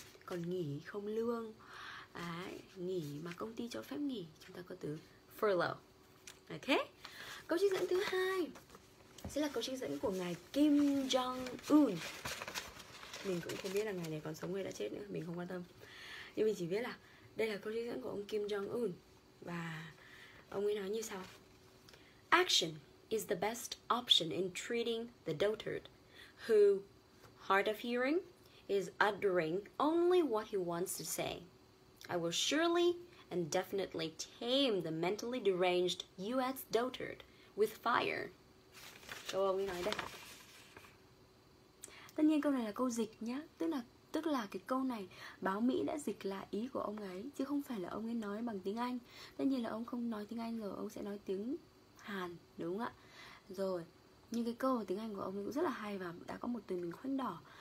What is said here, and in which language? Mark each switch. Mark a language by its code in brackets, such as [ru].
[vi] Còn nghỉ không lương, à, nghỉ mà công ty cho phép nghỉ, chúng ta có từ furlough. Ok. Câu trích dẫn thứ hai sẽ là câu trích dẫn của ngài Kim Jong-un. Mình cũng không biết là ngài này còn sống hay đã chết nữa, mình không quan tâm. Nhưng mình chỉ biết là đây là câu trích dẫn của ông Kim Jong-un. Và ông ấy nói như sau: [en] Action is the best option in treating the dotard who, hard of hearing, is uttering only what he wants to say. I will surely and definitely tame the mentally deranged US dotard with fire. [vi] Câu ông ấy nói đây. Tất nhiên câu này là câu dịch nhá, tức là cái câu này báo Mỹ đã dịch là ý của ông ấy, chứ không phải là ông ấy nói bằng tiếng Anh. Tất nhiên là ông không nói tiếng Anh rồi, ông sẽ nói tiếng Hàn, đúng không ạ? Rồi, nhưng cái câu tiếng Anh của ông ấy cũng rất là hay và đã có một từ mình khoanh đỏ.